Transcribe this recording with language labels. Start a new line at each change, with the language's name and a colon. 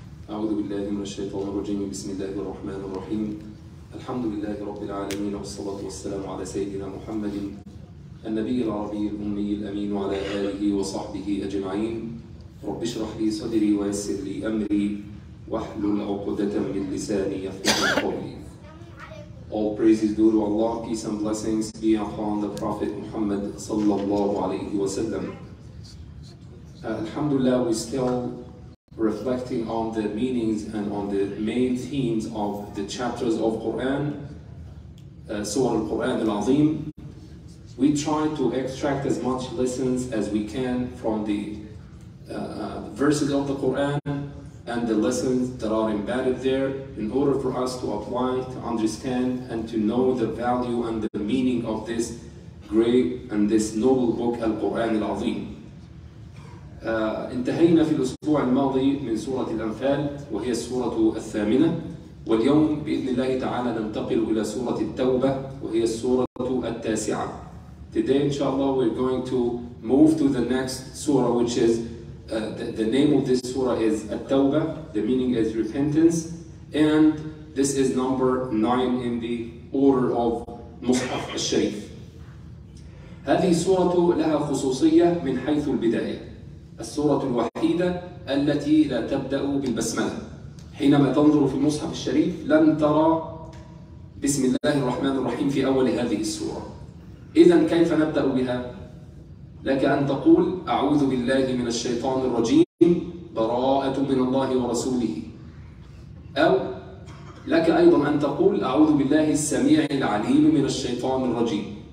Arabic: أعوذ بالله من الشيطان الرجيم. بسم الله الرحمن الرحيم. الحمد لله رب العالمين، والصلاة والسلام على سيدنا محمد النبي العربي الأمي الأمين وعلى آله وصحبه أجمعين. رب اشرح لي صدري ويسر لي أمري واحلل عقدة من لساني يفقهوا قولي.
English: All praises due to Allah, peace and blessings be upon the Prophet Muhammad
Arabic: صلى الله عليه وسلم. الحمد لله,
English: we still reflecting on the meanings and on the main themes of the chapters of Quran, Surah Al-Quran Al-Azim. We try to extract as much lessons as we can from the verses of the Quran and the lessons that are embedded there in order for us to apply, to understand, and to know the value and the meaning of this great and this noble book, Al-Quran Al-Azim.
Arabic: انتهينا في الأسبوع الماضي من سورة الأنفال وهي السورة الثامنة, واليوم بإذن الله تعالى ننتقل إلى سورة التوبة وهي السورة التاسعة.
English: Today inshallah we're going to move to the next surah, which is the name of this surah is التوبة, the meaning is repentance, and this is number 9 in the order of مصحف الشريف.
Arabic: هذه السورة لها خصوصية من حيث البداية, السورة الوحيدة التي لا تبدأ بالبسملة. حينما تنظر في المصحف الشريف لن ترى بسم الله الرحمن الرحيم في أول هذه السورة. إذن كيف نبدأ بها؟ لك أن تقول أعوذ بالله من الشيطان الرجيم, براءة من الله ورسوله, أو لك أيضا أن تقول أعوذ بالله السميع العليم من الشيطان الرجيم.